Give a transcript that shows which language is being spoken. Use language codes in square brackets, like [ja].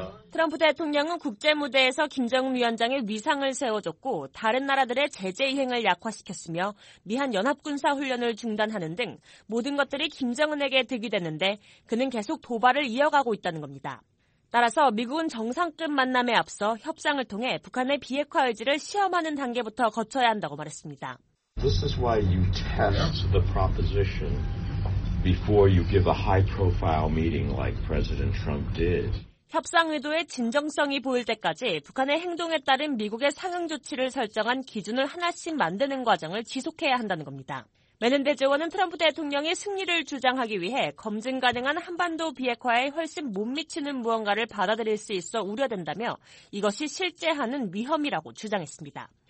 [ko] 트럼프 대통령은 국제무대에서 김정은 위원장의 위상을 세워줬고 다른 나라들의 제재 이행을 약화시켰으며 미한 연합군사 훈련을 중단하는 등 모든 것들이 김정은에게 득이 됐는데 그는 계속 도발을 이어가고 있다는 겁니다. 따라서 미국은 정상급 만남에 앞서 협상을 통해 북한의 비핵화 의지를 시험하는 단계부터 거쳐야 한다고 말했습니다. [en] This is why you test the proposition before you give a high-profile meeting like President Trump did. [ko] 협상 의도의 진정성이 보일 때까지 북한의 행동에 따른 미국의 상응 조치를 설정한 기준을 하나씩 만드는 과정을 지속해야 한다는 겁니다. 매는 대재원은 트럼프 대통령이 승리를 주장하기 위해 검증 가능한 한반도 비핵화에 훨씬 못 미치는 무언가를 받아들일 수 있어 우려된다며 이것이 실제하는 위험이라고 주장했습니다.